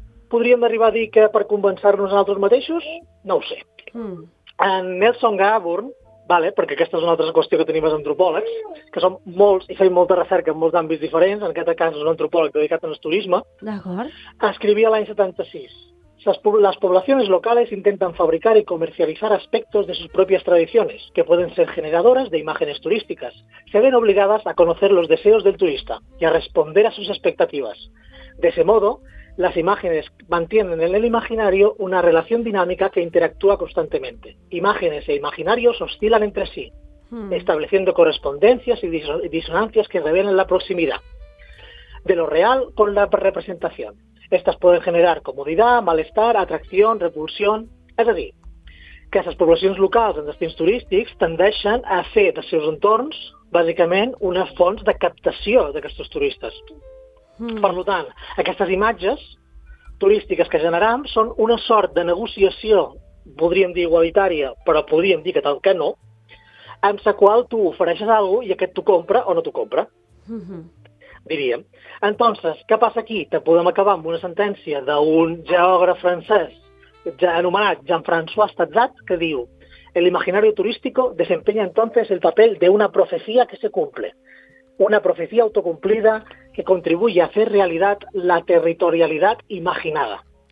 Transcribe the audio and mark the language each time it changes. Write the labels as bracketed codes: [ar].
[ca] Podríem arribar a dir que per convencer-nos a nosaltres mateixos? No ho sé. En Nelson Gaborn, vale, perquè aquesta és una altra qüestió que tenim els antropòlegs, que som molts i fem molta recerca en molts àmbits diferents, en aquest cas és un antropòleg dedicat al turisme, escrivia l'any 76. [es] Les poblaciones locales intentan fabricar y comercializar aspectos de sus propias tradiciones, que pueden ser generadoras de imágenes turísticas. Se ven obligadas a conocer los deseos del turista y a responder a sus expectativas. De ese modo, las imágenes mantienen en el imaginario una relación dinámica que interactúa constantemente. Imágenes e imaginarios oscilan entre sí, estableciendo correspondencias y disonancias que revelan la proximidad de lo real con la representación. Estas pueden generar comodidad, malestar, atracción, repulsión... [ca] Es a dir, que les poblacions locals en destins turístics tendeixen a fer dels seus entorns, bàsicament, una font de captació d'aquests turistes. Per tant, aquestes imatges turístiques que generam són una sort de negociació, podríem dir igualitària, però podríem dir que tal que no, amb la qual tu ofereixes alguna cosa i aquest t'ho compra o no t'ho compra, diríem. Entonces, què passa aquí? Te podem acabar amb una sentència d'un geògraf francès ja anomenat Jean-François Tadzat, que diu: [es] «El imaginario turístico desempeña entonces el papel de una profecía que se cumple. Una profecía autocumplida que contribuye a hacer realidad la territorialidad imaginada».